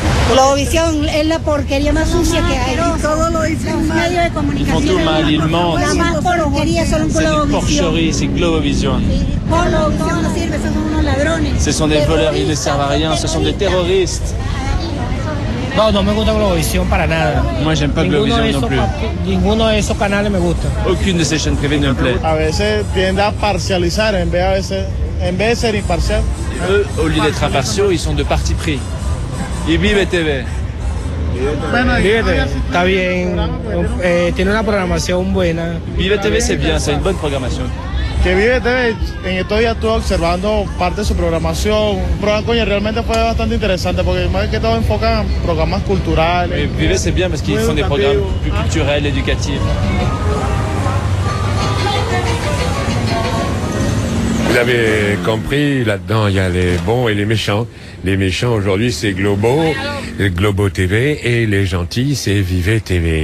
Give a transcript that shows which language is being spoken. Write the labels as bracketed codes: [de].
[es] Globovisión es la porquería más sucia que hay. Todo lo dicen los medios de comunicación. La más porquería son Globovisión. Es porquería, es Globovisión. Globovisión no sirve, son unos ladrones. [fr] Ce sont des voleurs, ils ne servent a rien, ce sont des terroristes. [es] No, no me gusta Globovisión para nada. [fr] Moi, j'aime pas Globovisión non plus. [es] Ninguno de esos canales me gusta. [fr] Aucune de ces chaînes privées ne me plaît. [es] A veces tiende a parcializar, en vez de ser imparcial. [fr] Eux, au lieu d'être impartiaux, ils sont de parti pris. [es] Y Vive TV. Vive TV, está bien. Tiene una programación buena. [fr] Vive TV, c'est bien, c'est une bonne programmation. [es] Que Vive TV, en estos días estuve observando parte de su programación. Un programa, coño, realmente fue bastante interesante, porque más que todo enfoca en programas culturales. [fr] Mais Vive, c'est bien, parce qu'ils font des programmes plus culturels, éducatifs. Vous avez compris, là-dedans, il y a les bons et les méchants. Les méchants, aujourd'hui, c'est Globo, Globo TV, et les gentils, c'est Vive TV.